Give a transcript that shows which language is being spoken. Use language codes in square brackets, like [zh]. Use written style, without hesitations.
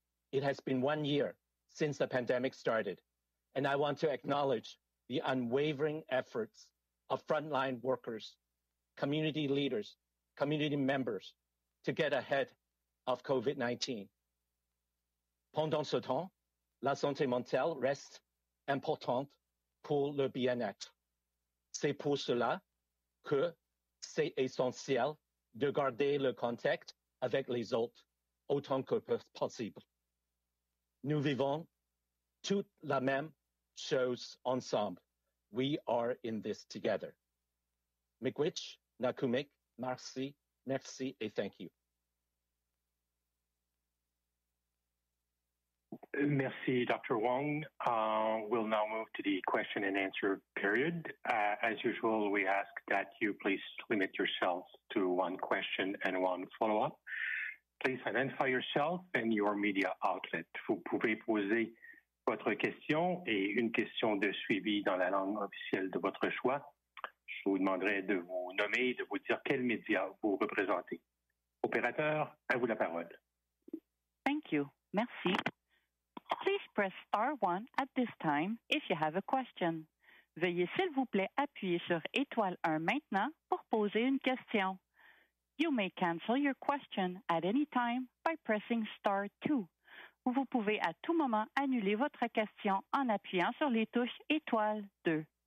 [en] It has been 1 year since the pandemic started, and I want to acknowledge the unwavering efforts of frontline workers, community leaders, community members to get ahead of COVID-19. [fr] Pendant ce temps, la santé mentale reste importante pour le bien-être. C'est pour cela que c'est essentiel de garder le contact avec les autres autant que possible. Nous vivons toutes la même chose ensemble. [en] We are in this together. Miigwech, Nakumik, [fr] merci, merci et [en] thank you. [fr] Merci, Dr. Wong. [en] We'll now move to the question and answer period. As usual, we ask that you please limit yourself to one question and one follow-up. Please identify yourself and your media outlet. [fr] Vous pouvez poser votre question et une question de suivi dans la langue officielle de votre choix. Je vous demanderai de vous nommer et de vous dire quel média vous représentez. Opérateur, à vous la parole. [en] Thank you. Merci. Please press star 1 at this time if you have a question. [fr] Veuillez s'il vous plaît appuyer sur étoile 1 maintenant pour poser une question. [en] You may cancel your question at any time by pressing star 2. [fr] Vous pouvez à tout moment annuler votre question en appuyant sur les touches étoile 2.